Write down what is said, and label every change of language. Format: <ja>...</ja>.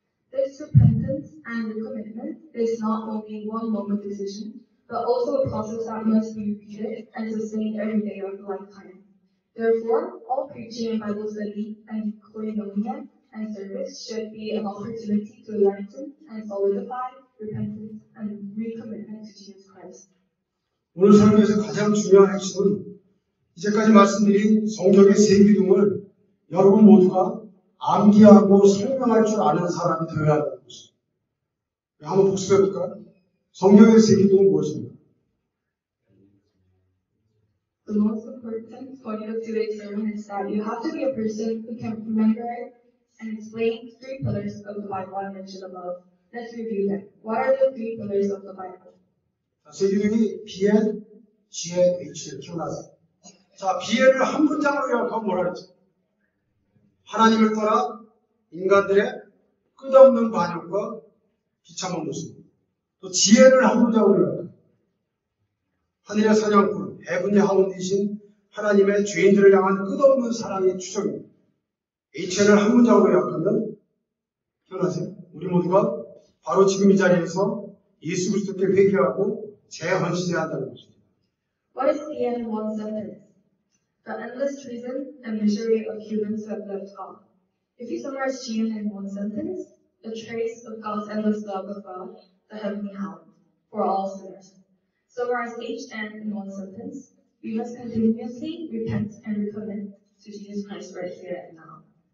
<en>This repentance and recommitment is not only one moment decision, but also a process that must be repeated and sustained every day of the lifetime. Therefore, all preaching and Bible study and koinonia and service should be an opportunity to enlighten and solidify repentance and recommitment to Jesus Christ.</en> <ko>오늘 설교에서 가장 중요한 핵심은 이제까지 말씀드린 성경의 세 기둥을 여러분 모두가 암기하고 설명할 줄 아는 사람이 되어야 하는 것입니다. 한번 복습해 볼까요? 성경의 세 기둥은 무엇입니까?</ko> <en>The most important point of today's sermon is that you have to be a person who can remember and explain three pillars of the Bible I mentioned above. Let's review them. What are the three pillars of the Bible?</en> <ko>세 기둥이 BN, GN, H를 기억나세요? 자, BL을 한 문장으로 요약하면 뭐라 그러지? 하나님을 떠나 인간들의 끝없는 반역과 비참한 모습. 또 GN을 한 문장으로 요약하면 하늘의 사냥꾼, 헤븐의 하운드이신 하나님의 죄인들을 향한 끝없는 사랑의 추종입니다. HN을 한 문장으로 요약하면 기억하세요. 우리 모두가 바로 지금 이 자리에서 예수 그리스도께 회개하고 재헌신해야 한다는 것입니다.</ko> <en>What is BN one sentence? The endless treason and misery of humans who have left God. If you summarize Jesus in one sentence, the trace of God's endless love of God, the heavenly hound, for all sinners. Summarize HN in one sentence, we must continuously repent and recommit to Jesus Christ right here and now.</en>